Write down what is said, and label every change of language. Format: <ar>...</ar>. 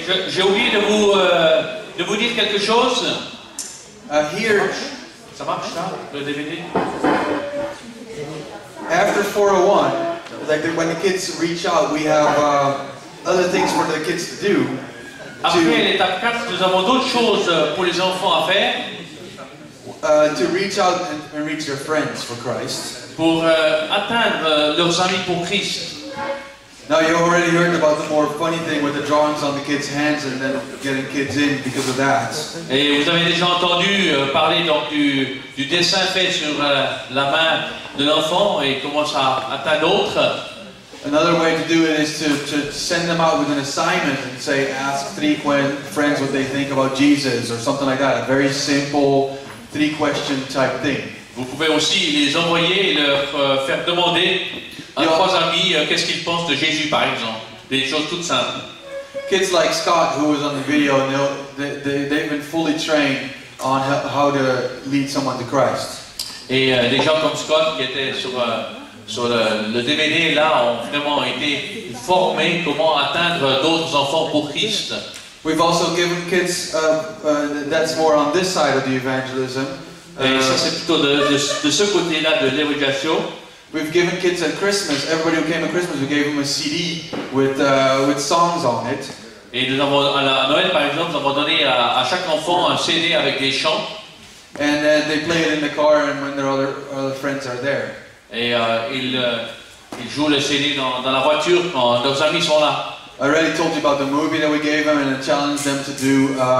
<fr>J'ai oublié de vous dire quelque chose.</fr> <en>Here.</en> <fr>Ça marche, ça, le DVD.</fr> <en>After 401, like when the kids reach out, we have other things for the kids to do.</en> <fr>Après l'étape 4, nous avons d'autres choses pour les enfants à faire.</fr> <en>To reach out and reach their friends for Christ.</en> <fr>Pour atteindre leurs amis pour Christ.</fr> <en>Now you already heard about the more funny thing with the drawings on the kids' hands and then getting kids in because of that.</en> <fr>Et vous avez déjà entendu parler donc du dessin fait sur la main de l'enfant et comment ça atteint d'autres.</fr> <en>Another way to do it is to send them out with an assignment and say ask three friends what they think about Jesus or something like that. A very simple three question type thing.</en> <fr>Vous pouvez aussi les envoyer et leur faire demander à trois amis qu'est-ce qu'ils pensent de Jésus, par exemple. Des choses toutes simples.</fr> <en>Kids like Scott, who was on the video, they've been fully trained on how to lead someone to Christ.</en> <fr>Et des gens comme Scott qui étaient sur le DVD là ont vraiment été formés comment atteindre d'autres enfants pour Christ.</fr> <en>We've also given kids that's more on this side of the evangelism.</en> <fr>Et ça c'est plutôt de ce côté-là de l'évangélisation.</fr> <en>We've given kids at Christmas. Everybody who came at Christmas, we gave them a CD with songs on it.</en> <fr>Et nous avons à Noël par exemple, nous avons donné à chaque enfant un CD avec des chants.</fr> <en>And they play it in the car, and when their other friends are there.</en> <fr>Et ils jouent le CD dans la voiture quand leurs amis sont là.</fr> <en>I already told you about the movie that we gave them and I challenged them to do.</en>